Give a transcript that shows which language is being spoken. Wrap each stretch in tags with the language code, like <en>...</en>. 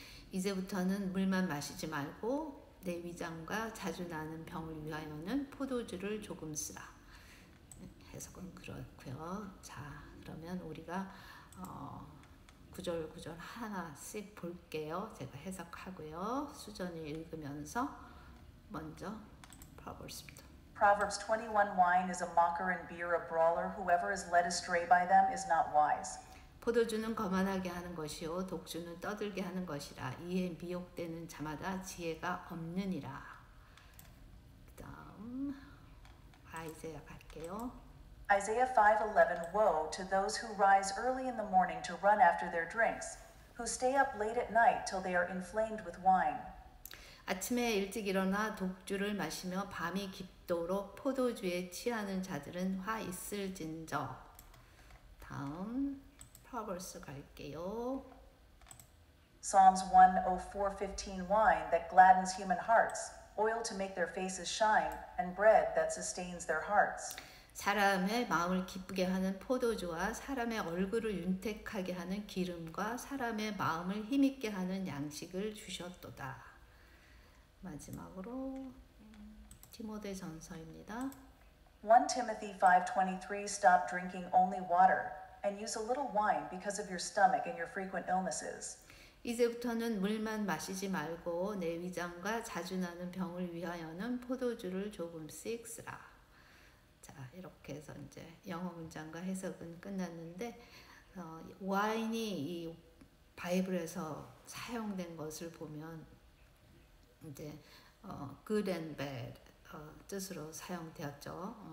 <ko>이제부터는 물만 마시지 말고 내 위장과 자주 나는 병을 위하여는 포도주를 조금 쓰라. 해석은 그렇고요. 자, 그러면 우리가 구절구절 하나씩 볼게요. 제가 해석하고요. 수전이 읽으면서 먼저 봐보겠습니다.</ko> <en>Proverbs 21, wine is a mocker and beer a brawler. Whoever is led astray by them is not wise.</en> <ko>포도주는 거만하게 하는 것이요 독주는 떠들게 하는 것이라 이에 미혹되는 자마다 지혜가 없느니라. 그다음 아이사야 갈게요.</ko> <en>Isaiah 5:11 Woe to those who rise early in the morning to run after their drinks, who stay up late at night till they are inflamed with wine.</en> <ko>아침에 일찍 일어나 독주를 마시며 밤이 깊도록 포도주에 취하는 자들은 화 있을진저. 다음 Proverbs 갈게요.</ko> <en>Psalms 104:15 Wine that gladdens human hearts, oil to make their faces shine, and bread that sustains their hearts.</en> <ko>사람의 마음을 기쁘게 하는 포도주와 사람의 얼굴을 윤택하게 하는 기름과 사람의 마음을 힘있게 하는 양식을 주셨도다. 마지막으로 디모데전서입니다.</ko> <en>1 Timothy 5:23 Stop drinking only water and use a little wine because of your stomach and your frequent illnesses.</en> <ko>이제부터는 물만 마시지 말고 내 위장과 자주 나는 병을 위하여는 포도주를 조금씩 쓰라. 자, 이렇게 해서 이제 영어 문장과 해석은 끝났는데 와인이 이 바이블에서 사용된 것을 보면 이제</ko> <en>good and bad</en> <ko>뜻으로 사용되었죠.</ko>